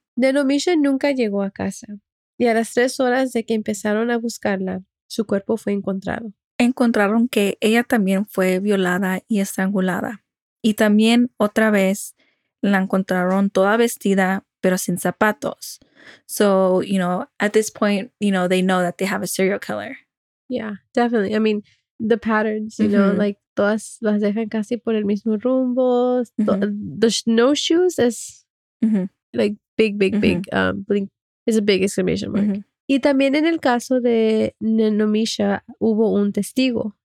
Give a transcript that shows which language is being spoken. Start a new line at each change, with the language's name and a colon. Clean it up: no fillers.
Spanish: Nenomisha nunca llegó a casa y a las 3 horas de que empezaron a buscarla, su cuerpo fue encontrado. Encontraron que ella también fue violada y estrangulada. Y también otra vez la encontraron toda vestida, pero sin zapatos.
English: So, you know, at this point, you know, they know that they have a serial killer. Yeah, definitely. I mean, the patterns, you mm-hmm. know, like
Spanish: todas las dejan casi por el mismo rumbo.
English: Mm-hmm. The no shoes is mm-hmm. like big, mm-hmm. Blink is a big exclamation mark. Mm-hmm.
Spanish: Y también en el caso de Nenomisha hubo un testigo.